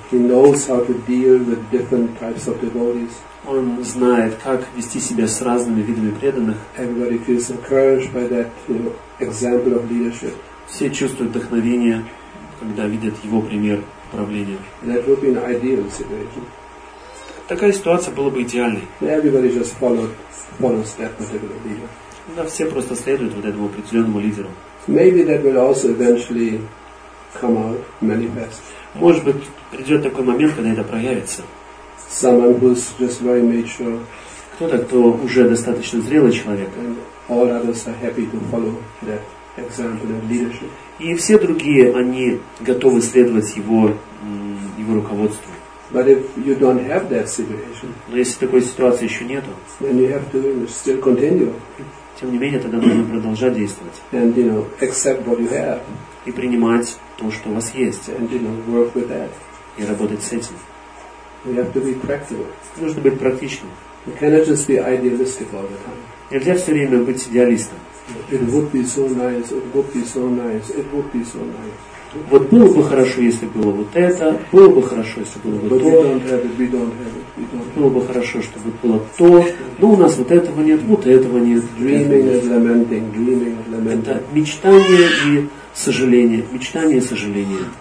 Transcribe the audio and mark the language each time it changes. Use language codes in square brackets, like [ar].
[en] He knows how to deal with different types of devotees. [ru] Он знает, как вести себя с разными видами преданных. [en] Everybody feels encouraged by that, you know, example of leadership. [ru] Все чувствуют вдохновение, когда видят его пример правления. [en] That would be an ideal situation. [ru] Такая ситуация была бы идеальной. [en] Everybody just followed. Step, [ru] да, все просто следуют вот этому определенному лидеру. [en] Maybe that will also eventually come out, manifest. [ru] Может быть, придет такой момент, когда это проявится. [en] Someone who's just very mature. [ru] Кто-то, кто уже достаточно зрелый человек. [en] And all others are happy to follow that example of leadership. [ru] И все другие, они готовы следовать его руководству. [en] But if you don't have that situation, [ru] но если такой ситуации еще нету, [en] then you have to still continue. [ru] Тем не менее, тогда нужно продолжать действовать. [en] And, you know, accept what you have. [ru] И принимать то, что у вас есть. [en] And, you know, work with that. [ru] И работать с этим. [en] You have to be practical. [ru] Нужно быть практичным. [en] You cannot just be idealistic all the time. [ru] Нельзя все время быть идеалистом. [en] It would be so nice, it would be so nice, it would be so nice. [ru] Вот было бы хорошо, если было вот это, было бы хорошо, если было вот то, было бы хорошо, чтобы было то, но у нас вот этого нет, это мечтание и сожаление, мечтание и сожаление.